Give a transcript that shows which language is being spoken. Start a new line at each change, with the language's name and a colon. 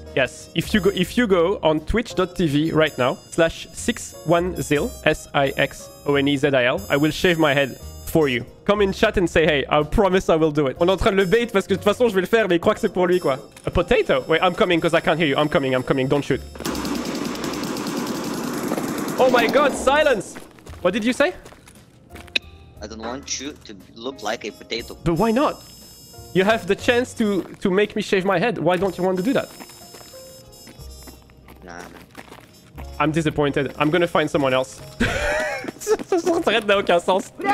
English: Yes, if you go on twitch.tv right now, /61zil, S-I-X-O-N-E-Z-I-L, I will shave my head for you. Come in chat and say hey, I promise I will do it.
French: On est en train de le bait parce que de toute façon je vais le faire, mais il croit que c'est pour lui quoi.
English: A potato? Wait, I'm coming because I can't hear you. I'm coming, don't shoot. Oh my god, silence! What did you say? I don't want you to look like a potato. But why not? You have the chance to make me shave my head. Why don't you want to do that? Nah, man. I'm disappointed. I'm gonna find someone else.
French: Ça s'entraide n'a aucun sens.